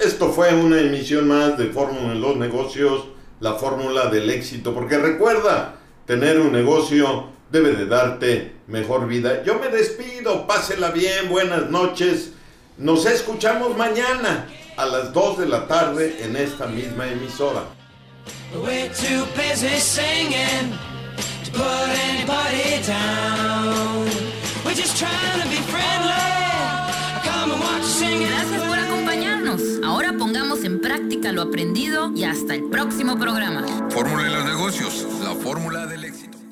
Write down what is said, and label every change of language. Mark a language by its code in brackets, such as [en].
[es] Esto fue una emisión más de Fórmula en los Negocios. La fórmula del éxito. Porque recuerda, tener un negocio debe de darte mejor vida. Yo me despido. Pásela bien. Buenas noches. Nos escuchamos mañana a las 2 de la tarde en esta misma emisora. [en] We're too busy singing to put anybody down. We're just trying to be friendly. Come and watch singing. [es] Gracias por acompañarnos. Ahora pongamos en práctica lo aprendido y hasta el próximo programa. Fórmula de los Negocios, la fórmula del éxito.